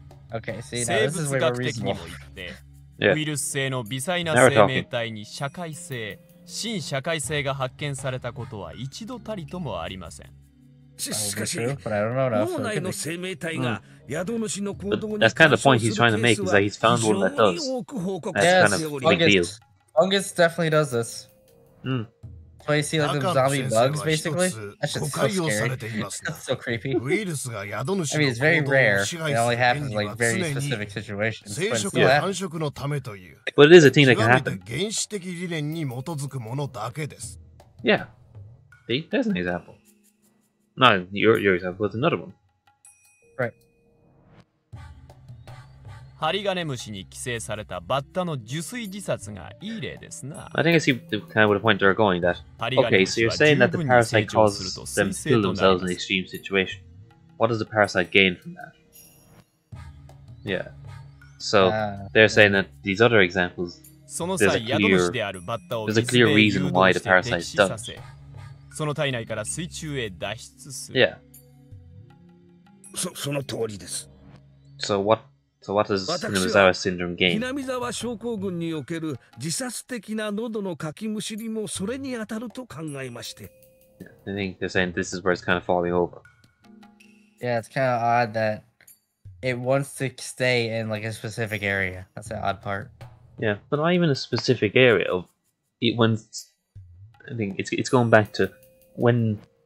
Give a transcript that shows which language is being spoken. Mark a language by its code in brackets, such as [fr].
[en] Okay, see, [ja] 生物学的にも言って、 [en] yeah. [ja] ウイルス性の微細な生命体に社会性、新社会性が発見されたことは一度たりともありません。しかし、脳内の生命体が宿主の行動に [en] That's kind of the point he's trying to make, is that he's found one that does. That's kind of a big deal. Fungus definitely does this. So you see like the zombie bugs, basically? That's just so scary. That's so creepy. I mean, it's very rare. It only happens in like very specific situations. Yeah. But it is a thing that can happen. Yeah. There's an example. No, your example is another one. Right. [ja] ハリガネムシに寄生されたバッタの受水自殺がいい例ですな。 [en] I think I see the kind of the point they're going that. Okay, so you're saying that the parasite causes them to kill themselves in an extreme situation. What does the parasite gain from that? Yeah. So they're saying that these other examples, there's a clear reason why the parasite does. [ja] その体内から水中へ脱出する。 [en] Yeah. [ja] その通りです。 [en] So what does Hinamizawa syndrome gain? [ja] 南沢症候群における自殺的な喉のかきむしりもそれに当たると考えまして。 [en] I think they're saying this is where it's kind of falling over. Yeah, it's kind of odd that it wants to stay in like a specific area. That's the odd part. Yeah, but not even a specific area. I think it's going back to when.